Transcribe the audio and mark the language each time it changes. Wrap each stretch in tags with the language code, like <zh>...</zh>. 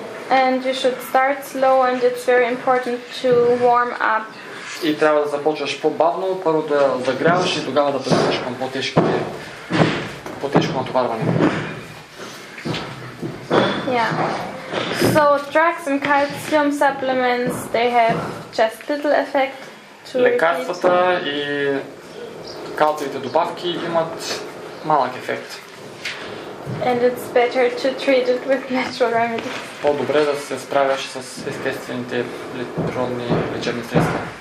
<en>And you should start slow and it's very important to warm up.</en> <bg>И трябва да започваш по-бавно, първо да загряваш и тогава да преминеш към по-тежко натоварване.</bg> <en>Yeah. So drugs and calcium supplements, they have just little effect to</en> <bg>лекарствата и калциевите добавки имат малък ефект.</bg> <en>And it's better to treat it with natural remedies.</en> <bg>По-добре да се справяш с естествените природни лечебни средства.</bg>